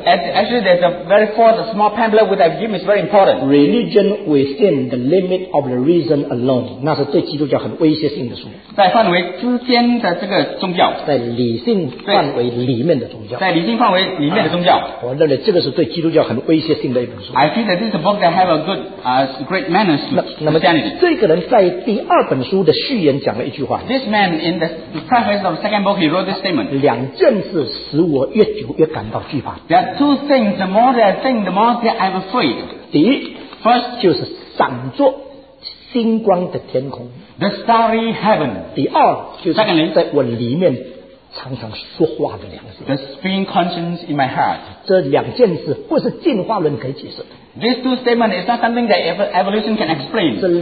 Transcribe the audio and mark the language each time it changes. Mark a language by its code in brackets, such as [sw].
[en] Actually, there's a very fourth small pamphlet which I've given is very important. [zh] Religion within the limit of the reason alone, 那是对基督教很威胁性的书。在范围之间的这个宗教，在理性范围里面的宗教。在理性范围里面的宗教。我认为这个是对基督教很威胁性的一本书。 [en] I think that this is a book that have a good, great manners. [zh] 那么这个人在第二本书的序言讲了一句话。This [en] man in the preface of the second book, he wrote this statement. [zh] 两件事使我越久越感到惧怕。 [en] There are two things, the more that I think, the more that I'm afraid. [zh] 第一, [en] first, [zh] 就是闪着星光的天空。 [en] The starry heaven. [zh] 第二, 就是在我里面常常说话的良心。 [en] The spinning conscience in my heart. [zh] 这两件事不是进化论可以解释的。 [en] These two statements is not something that evolution can explain.